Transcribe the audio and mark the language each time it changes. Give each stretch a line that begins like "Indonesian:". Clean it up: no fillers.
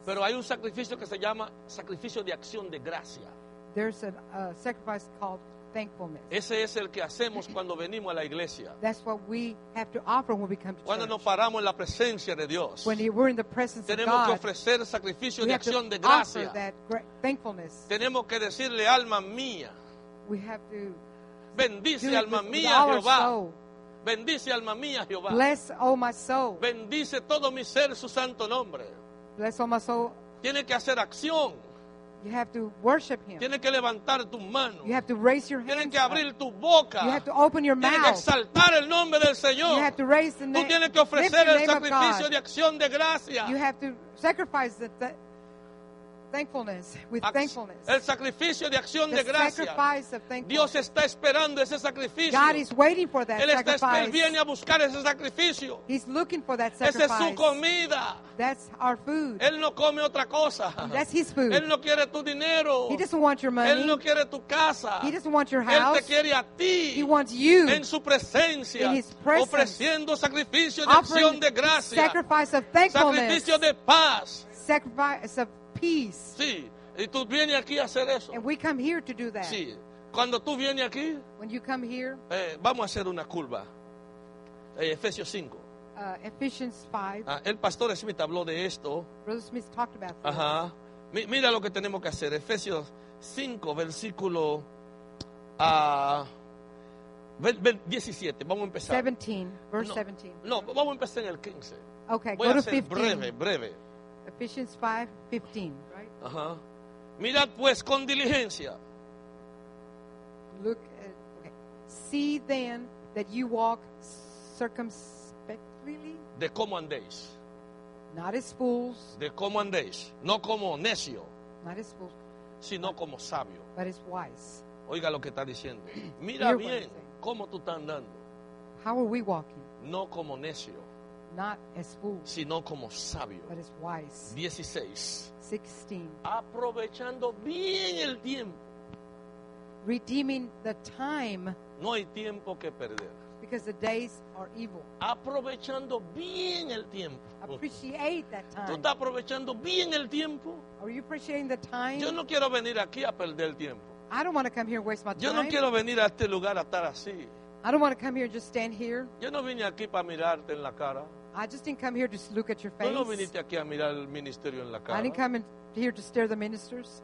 Spanish: Pero hay un sacrificio que se llama sacrificio de acción de gracia.
English: There's a sacrifice called thankfulness.
Spanish: Ese es el que hacemos cuando venimos a la iglesia.
English: That's what we have to offer when we come to
Spanish: cuando
English: church.
Spanish: Nos paramos en la presencia de Dios.
English: When we're in the presence of God.
Spanish: Tenemos que ofrecer sacrificio de acción de gracia.
English: We have to offer that thankfulness.
Spanish: Tenemos que decirle alma mía.
English: We have to
Spanish: bendice alma mía Jehová. Bendice alma mía Jehová.
English: Bless all my soul.
Spanish: Bendice todo mi ser su santo nombre.
English: Bless all my soul.
Spanish: Tiene que hacer acción.
English: You have to worship him.
Spanish: Tienes que levantar tu mano.
English: You have to raise your hands.
Spanish: Tienes que abrir tu boca.
English: You have to open your
Spanish: tienes
English: mouth.
Spanish: Tienes que exaltar el nombre del Señor.
English: You have to raise the name.
Spanish: Tú tienes que ofrecer el sacrificio de acción de gracia.
English: You have to sacrifice the Thankfulness, with thankfulness.
Spanish: El sacrificio de acción
English: the
Spanish: de gracia.
English: Sacrifice of thankfulness.
Spanish: Dios está esperando ese sacrificio.
English: God is waiting for that
Spanish: Él está
English: sacrifice.
Spanish: Viene a buscar ese sacrificio.
English: He's looking for that sacrifice.
Spanish: Esa es su comida.
English: That's our food.
Spanish: Él no come otra cosa.
English: That's his food.
Spanish: Él no quiere tu dinero.
English: He doesn't want your money.
Spanish: Él no quiere tu casa.
English: He doesn't want your house.
Spanish: Él te quiere a ti.
English: He wants you.
Spanish: En su presencia.
English: In his presence.
Spanish: Ofreciendo sacrificio de acción de gracia.
English: Sacrifice of thankfulness.
Spanish: Sacrificio de paz.
English: Sacrifice of peace.
Spanish: Sí. Y tú vienes aquí a hacer eso.
English: And we come here to do that.
Spanish: Sí. Cuando tú vienes aquí,
English: when you come here,
Spanish: vamos a hacer una curva. Efesios 5.
English: Ephesians 5.
Spanish: El pastor Smith habló de esto.
English: Brother Smith talked about this. Ajá.
Spanish: Mira lo que tenemos que hacer. Efesios 5, versículo 17. Vamos a empezar.
English: 17, verse
Spanish: no,
English: 17.
Spanish: No, vamos a empezar en el 15.
English: Okay,
Spanish: voy
English: go
Spanish: a
English: to
Spanish: ser
English: 15.
Spanish: Breve.
English: Ephesians 5:15, right? Ajá.
Spanish: Mirad pues con diligencia.
English: Look at, okay. See then that you walk circumspectly.
Spanish: De cómo andéis.
English: Not as fools.
Spanish: De cómo andéis. No como necio.
English: Not as fools.
Spanish: Sino como sabio.
English: But as wise.
Spanish: Oiga lo que está diciendo. Mira Hear bien cómo tú estás andando.
English: How are we walking?
Spanish: No como necio.
English: Not as fools,
Spanish: sino como sabio.
English: But as wise.
Spanish: 16.
English: 16.
Spanish: Aprovechando bien el tiempo.
English: Redeeming the time.
Spanish: No hay tiempo que perder.
English: Because the days are evil.
Spanish: Aprovechando bien el tiempo.
English: Appreciate that time.
Spanish: ¿Tú estás aprovechando bien el tiempo?
English: Are you appreciating the time?
Spanish: Yo no quiero venir aquí a perder el tiempo.
English: I don't want to come here and waste my time.
Spanish: Yo no quiero venir a este lugar a estar así.
English: I don't want to come here and just stand here.
Spanish: Yo no vine aquí para mirarte en la cara.
English: I just didn't come here to look at your face.
Spanish: Tú no viniste aquí a mirar el ministerio en la cara.
English: I didn't come here to stare the ministers.